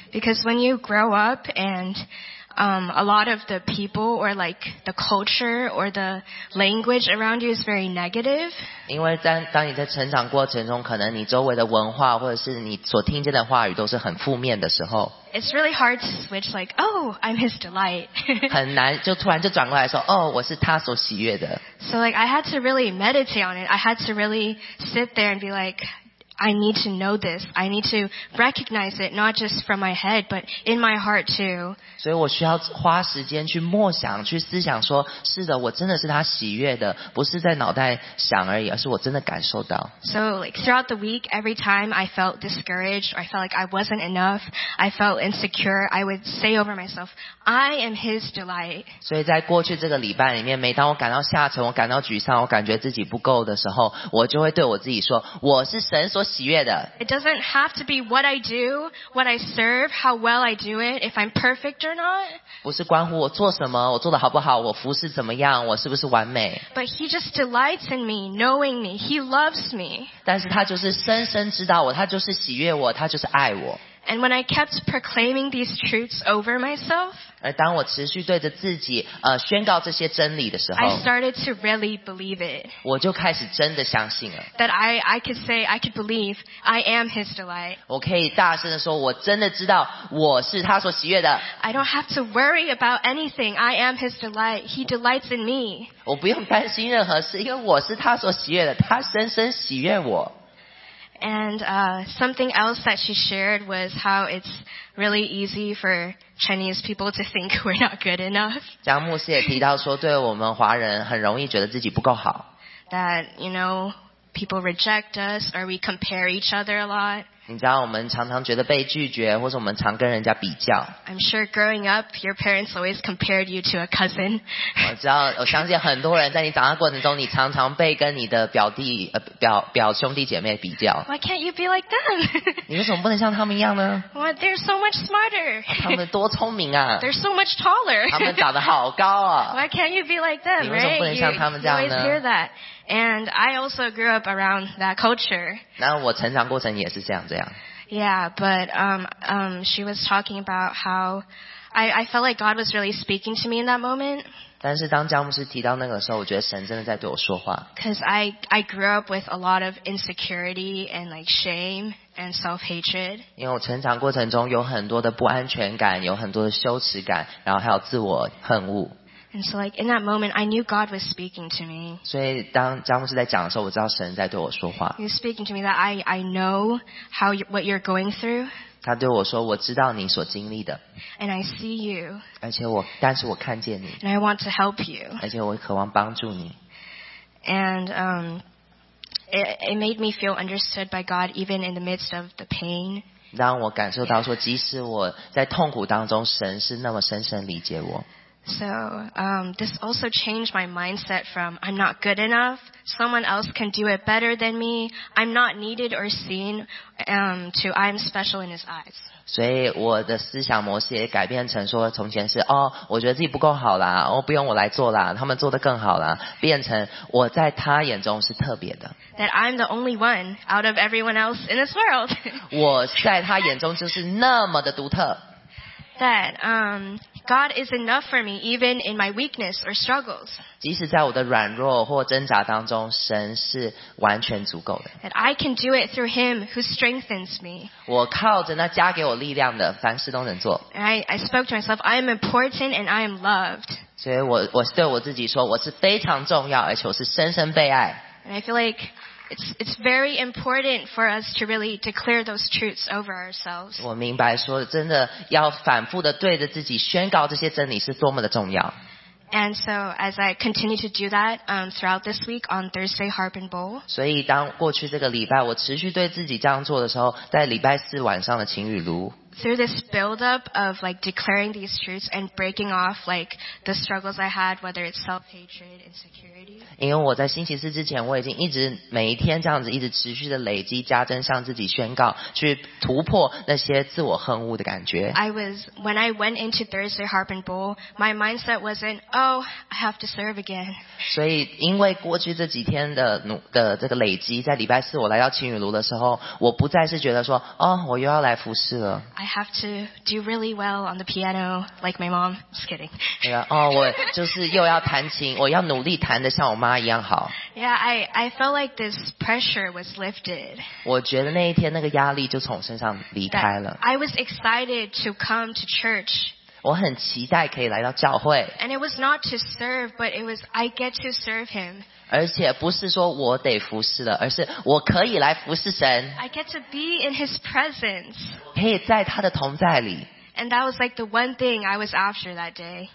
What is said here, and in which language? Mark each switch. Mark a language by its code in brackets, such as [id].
[en] Because when you grow up and a lot of the people or like the culture or the language around you is very negative. [zh] 因为当你在成长过程中，可能你周围的文化或者是你所听见的话语都是很负面的时候。 [en] It's really hard to switch like, oh, I'm His delight. [zh] 很难就突然就转过来说，哦，我是他所喜悦的。 [en] So like I had to really meditate on it. I had to really sit there and be like,I need to know this. I need to recognize it, not just from my head, but in my heart too. [zh] 所以我需要花时间去默想，去思想说，是的，我真的是他喜悦的，不是在脑袋想而已，而是我真的感受到。 [en] So like throughout the week, every time I felt discouraged, or I felt like I wasn't enough, I felt insecure, I would say over myself, I am His delight. [zh] 所以在过去这个礼拜里面，每当我感到下沉，我感到沮丧，我感觉自己不够的时候，我就会对我自己说，我是神所喜悦的。 [en] It doesn't have to be what I do, what I serve, how well I do it, if I'm perfect or not. [zh] 不是关乎我做什么，我做得好不好，我服侍怎么样，我是不是完美。 [en] But He just delights in me, knowing me. He loves me. [zh] 但是他就是深深知道我，他就是喜悦我，他就是爱我。 [en] And when I kept proclaiming these truths over myself, [zh] 而当我持续对着自己宣告这些真理的时候， [en] I started to really believe it. [zh] 我就开始真的相信了。 [en] That I could say, I could believe, I am His delight. [zh] 我可以大声地说，我真的知道我是他所喜悦的。 [en] I don't have to worry about anything. I am His delight. He delights in me. [zh] 我不用担心任何事，因为我是他所喜悦的，他深深喜悦我。 [en] And something else that she shared was how it's really easy for Chinese people to think we're not good enough. [zh] 江牧师也提到说，对我们华人很容易觉得自己不够好。 [en] That, you know, people reject us or we compare each other a lot. [zh] 你知道我们常常觉得被拒绝，或是我们常跟人家比较。 [en] I'm sure growing up, your parents always compared you to a cousin. [zh] 我相信很多人在你长大过程中，你常常被跟你的表弟、表兄弟姐妹比较。 [en] Why can't you be like them? [zh] 你为什么不能像他们一样呢？ [en] Well, they're so much smarter. [zh] 他们多聪明啊！ [en] They're so much taller. [zh] 他们长得好高啊！ [en] Why can't you be like them? [zh] 你为什么不能像他们这样呢？ [en] You always hear that. And I also grew up around that culture. [zh] 那我成长过程也是这样这样。 [en] Yeah, but she was talking about how I felt like God was really speaking to me in that moment. [zh] 但是当教牧师提到那个时候，我觉得神真的在对我说话。 [en] Because I grew up with a lot of insecurity and like shame and self-hatred. [zh] 因为我成长过程中有很多的不安全感，有很多的羞耻感，然后还有自我恨恶。 [en] And so, like in that moment, I knew God was speaking to me. [zh] 所以当詹姆斯在讲的时候，我知道神在对我说话。 [en] He's speaking to me that I know how what you're going through. [zh] 他对我说，我知道你所经历的。 [en] And I see you. [zh] 而且我，但是我看见你。 [en] And I want to help you. [zh] 而且我渴望帮助你。 [en] And it made me feel understood by God even in the midst of the pain. [zh] 让我感受到说，即使我在痛苦当中，神是那么深深理解我。 [en] So, this also changed my mindset from I'm not good enough, someone else can do it better than me, I'm not needed or seen, to I'm special in his eyes. [zh] 所以我的思想模式也改变成说，从前是哦，我觉得自己不够好啦，哦，不用我来做啦，他们做得更好啦，变成我在他眼中是特别的。 [en] That I'm the only one out of everyone else in this world. [zh] 我在他眼中就是那么的独特。 [en] That God is enough for me, even in my weakness or struggles. [zh] 即使在我的软弱或挣扎当中，神是完全足够的。 [en] That I can do it through Him who strengthens me. [zh] 我靠着那加给我力量的，凡事都能做。 [en] I spoke to myself, I am important and I am loved. [zh] 所以我对我自己说，我是非常重要，而且我是深深被爱。 [en] And I feel like. It's very important for us to really declare those truths over ourselves. [zh] 我明白说真的要反复的对着自己宣告这些真理是多么的重要。 [en] And so as I continue to do that throughout this week on Thursday Harp and Bowl. [zh] 所以当过去这个礼拜我持续对自己这样做的时候，在礼拜四晚上的晴雨炉。 [en] Through this build-up of like declaring these truths and breaking off like the struggles I had, whether it's self-hatred, insecurity. [zh] 因为我在星期四之前，我已经一直每一天这样子一直持续的累积加增，向自己宣告，去突破那些自我恨恶的感觉。 [en] When I went into Thursday Harp and Bowl, my mindset wasn't, oh, I have to serve again. [zh] 所以因为过去这几天的这个累积，在礼拜四我来到晴雨炉的时候，我不再是觉得说，哦，我又要来服侍了。 [en] I have to do really well on the piano, like my mom. Just kidding. [zh] Yeah, 我就是又要弹琴，我要努力弹得像我妈一样好。 [en] Yeah, I felt like this pressure was lifted. [zh] 我觉得那一天那个压力就从我身上离开了。 [en] I was excited to come to church. [zh] 我很期待可以来到教会。 [en] And it was not to serve, but it was I get to serve him. [zh] 而且不是说我得服侍了，而是我可以来服侍神。 [en] I get to be in His presence. [zh] 可以在他的同在里。 [en] And that was like the one thing I was after that day.